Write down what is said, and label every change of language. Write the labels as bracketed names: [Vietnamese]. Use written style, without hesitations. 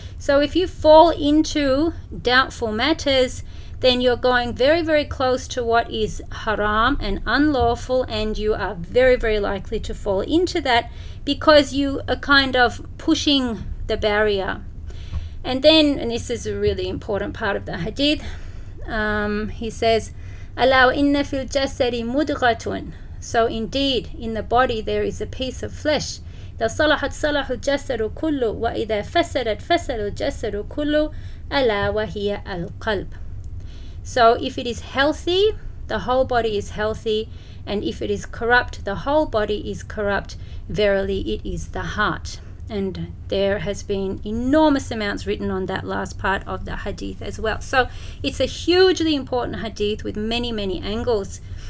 [English] So if you fall into doubtful matters, then you're going very, very close to what is haram and unlawful, and you are very, very likely to fall into that because you are kind of pushing the barrier. And then, and this is a really important part of the hadith, he says, [Arabic] Allahu inna fil jasadi mudghatun. [English] So indeed, in the body there is a piece of flesh. [Arabic] إذا صلحت صلح الجسد كله وإذا فسدت فسد الجسد كله ألا وهي القلب. [English] So if it is healthy, the whole body is healthy, and if it is corrupt, the whole body is corrupt. Verily, it is the heart. And there has been enormous amounts written on that last part of the hadith as well. So it's a hugely important hadith with many, many angles.